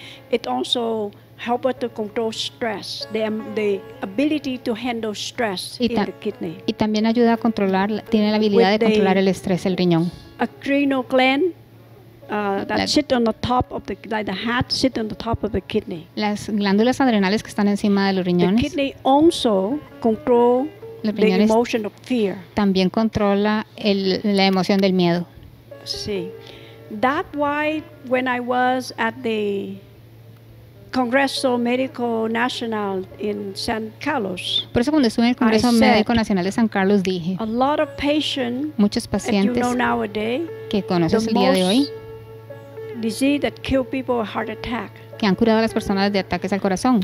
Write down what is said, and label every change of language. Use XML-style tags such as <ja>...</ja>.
<en>It also helps to control stress, the ability to handle stress in the kidney.</en> <es>Y también ayuda a controlar, tiene la habilidad</es> <en>with</en> <es>de controlar el estrés el riñón.</es> <en>Adrenal gland that sit on the top of the like the hat sit on the top of the kidney.</en> <es>Las glándulas adrenales que están encima de los riñones.</es> <en>The kidney also control the emotion of fear.</en> <es>También controla la emoción del miedo. Sí.</es> <en>That why when I was at the Congreso Médico Nacional in San Carlos.</en> <es>Por eso cuando estuve en el Congreso Médico Nacional de San Carlos dije.</es> <en>A lot of patients.</en> <es>Muchos pacientes.</es> <en>You know nowadays,</en> <es>que conoces el día de hoy.</es> <en>Disease that kill people with heart attack.</en> <es>Que han curado a las personas de ataques al corazón.</es>